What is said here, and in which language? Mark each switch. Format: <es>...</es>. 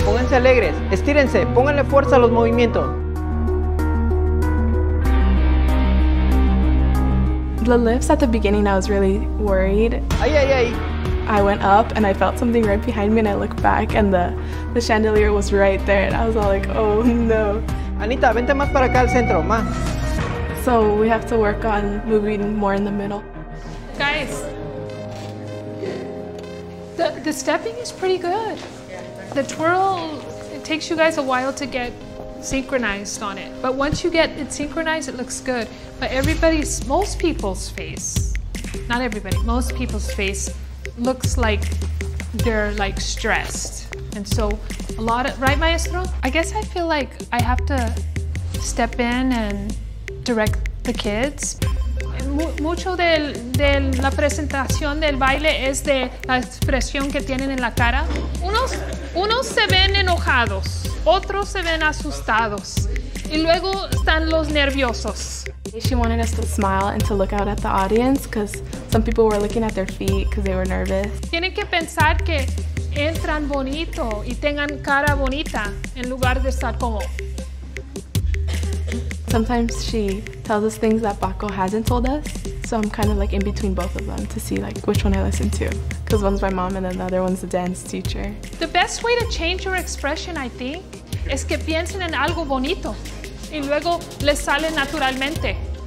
<es>Alegres, estírense, pónganle fuerza a los movimientos.</es> <en>The lifts at the beginning, I was really worried. Ay, ay, ay. I went up and I felt something right behind me and I looked back and the chandelier was right there and I was all like, oh no.</en> <es>Anita, vente más para acá al centro, más.</es> <en>So we have to work on moving more in the middle. Guys, the stepping is pretty good. The twirl, it takes you guys a while to get synchronized on it. But once you get it synchronized, it looks good. But most people's face looks like they're like stressed. And so a lot of, right maestro? I guess I feel like I have to step in and direct the kids.</en> <es>Mucho de la presentación del baile es de la expresión que tienen en la cara. Unos se ven enojados, otros se ven asustados, y luego están los nerviosos.</es> <en>She wanted us to smile and to look out at the audience because some people were looking at their feet because they were nervous.</en> <es>Tienen que pensar que entran bonito y tengan cara bonita en lugar de estar como...</es> <en>Sometimes she tells us things that Baco hasn't told us, so I'm kind of like in between both of them to see like which one I listen to. Because one's my mom and then the other one's the dance teacher. The best way to change your expression, I think,</en> <es>es que piensen en algo bonito y luego les sale naturalmente.</es>